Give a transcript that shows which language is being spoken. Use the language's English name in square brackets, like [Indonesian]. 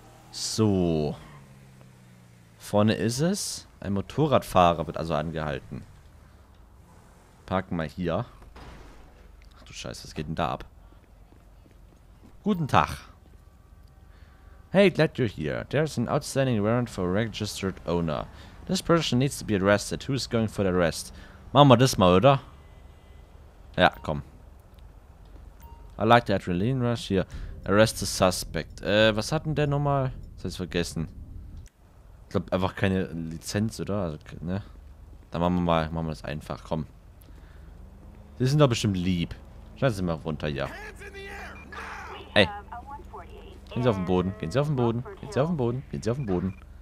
[German] So, vorne ist es. Ein Motorradfahrer wird also angehalten. Parken mal hier. Ach du Scheiße, was geht denn da ab? Guten Tag. [English] Hey, glad you're here. There's an outstanding warrant for a registered owner. This person needs to be arrested. Who's going for the arrest? [German] Machen wir das mal, oder? Ja, komm. [English] I like the adrenaline rush here. Arrest the suspect. [German] Was hat denn der nochmal? Das hab ich vergessen. Ich glaube einfach keine Lizenz, oder? Also, ne? Dann machen wir mal, machen wir das einfach. Komm. Sie sind doch bestimmt lieb. Schneiden Sie mal runter, ja. Ey. Gehen Sie auf den Boden. Gehen Sie auf den Boden. Gehen Sie auf den Boden. Gehen Sie auf den Boden.